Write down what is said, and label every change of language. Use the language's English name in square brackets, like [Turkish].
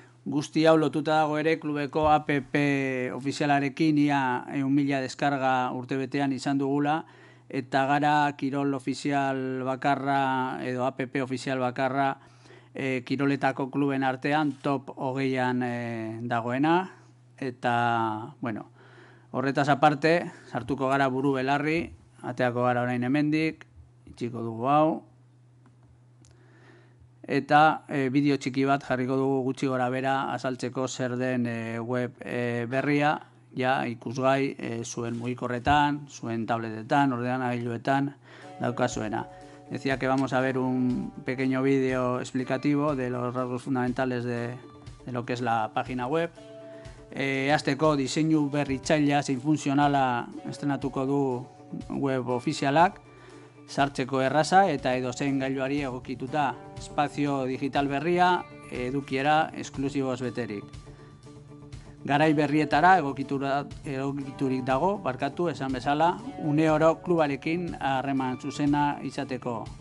[Basque] Guzti hau lotuta dago ere klubeko APP ofizialarekin ia 1.000 deskarga urtebetean izan dugula eta gara kirol ofizial bakarra edo APP ofizial bakarra kiroletako kluben artean top 20an dagoena eta bueno, horretaz aparte sartuko gara buru belarri, aterako gara orain hemendik, itxiko dugu hau. Eta bideo txiki bat jarriko dugu gutxi gorabehera azaltzeko zer den web berria, ja ikusgai zuen mugikorretan, zuen tabletetan, ordenagailuetan daukazuena. [Spanish] Decía que vamos a ver un pequeño vídeo explicativo de los rasgos fundamentales de lo que es la página web. [Basque] Hasteko diseinu berritzailea zein funtzionala estrenatuko du web ofizialak. Sartzeko erraza eta edozein gailuari egokituta, espazio digital berria, edukiera esklusiboz beterik. Garai berrietara egokiturik dago, barkatu, esan bezala, une oro klubarekin harreman zuzena izateko.